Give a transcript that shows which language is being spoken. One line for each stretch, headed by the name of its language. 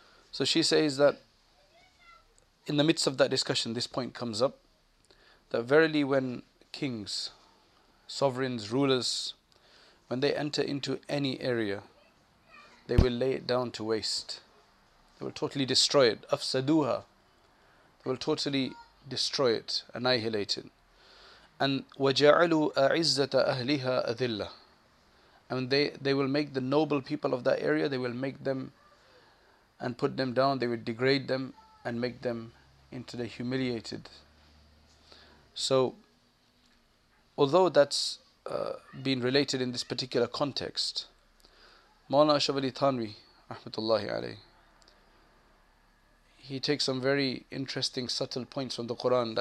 English: So she says that in the midst of that discussion, this point comes up, that verily when kings, sovereigns, rulers, when they enter into any area, they will lay it down to waste. They will totally destroy it. Afsaduha. They will totally destroy it, annihilate it.
Arabic: And وَجَعَلُوا أَعِزَّةَ أَهْلِهَا أَذِلَّةَ.
English: And they will make the noble people of that area, they will make them and put them down, they will degrade them and make them into the humiliated. So, although that's been related in this particular context, Maulana Shavali Thanwi, rahmatullahi alayhi, he takes some very interesting, subtle points from the Quran.